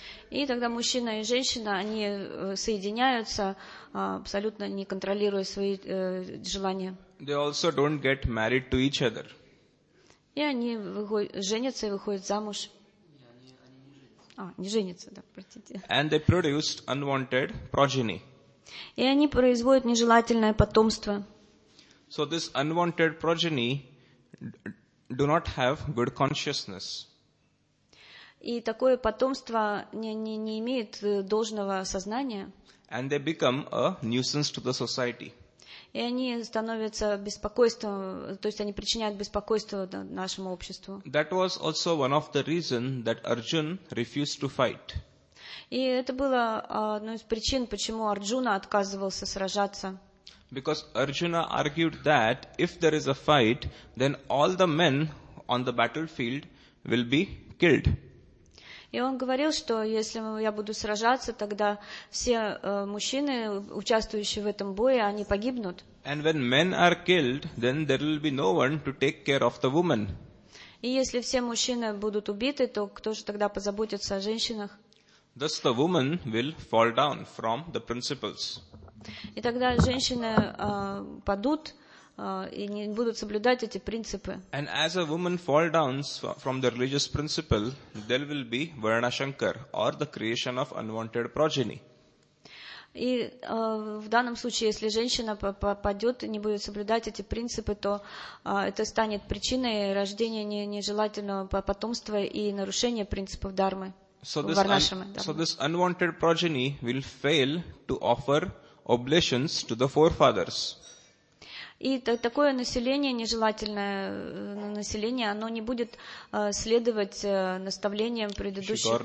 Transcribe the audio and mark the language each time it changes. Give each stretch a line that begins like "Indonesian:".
Russian: И тогда мужчина и женщина, они соединяются, абсолютно не контролируя свои желания.
English: they also don't get married to each other.
Russian: И они женятся и выходят замуж. Не женятся, простите.
English: And they produce unwanted progeny.
Russian: И они производят нежелательное потомство.
English: So this unwanted progeny do not have good consciousness.
Russian: И такое потомство не имеет должного сознания.
English: And they become a nuisance to the society.
Russian: И они становятся беспокойством, то есть они причиняют беспокойство нашему обществу.
English: That was also one of the reason that Arjun refused to fight.
Russian: И это было одной из причин, почему Арджуна отказывался сражаться.
English: Because Arjuna argued that if there is a fight, then all the men on the battlefield will be killed.
Russian: И он говорил, что если я буду сражаться, тогда все мужчины, участвующие в этом бое, они погибнут.
English: And when men are killed, then there will be no one to take care of the woman.
Russian: И если все мужчины будут убиты, то кто же тогда позаботится о женщинах?
English: Thus the woman will fall down from the principles.
Russian: И тогда женщины падут и не будут соблюдать эти принципы.
English: And as a woman falls down from the religious principle, there will be Varna Shankar or the creation of unwanted progeny.
Russian: И в данном случае, если женщина попадет и не будет соблюдать эти принципы, то это станет причиной рождения нежелательного потомства и нарушения принципов дармы.
English: So this unwanted progeny will fail to offer oblations to the forefathers.
Russian: И такое население, нежелательное население, оно не будет следовать наставлениям предыдущих.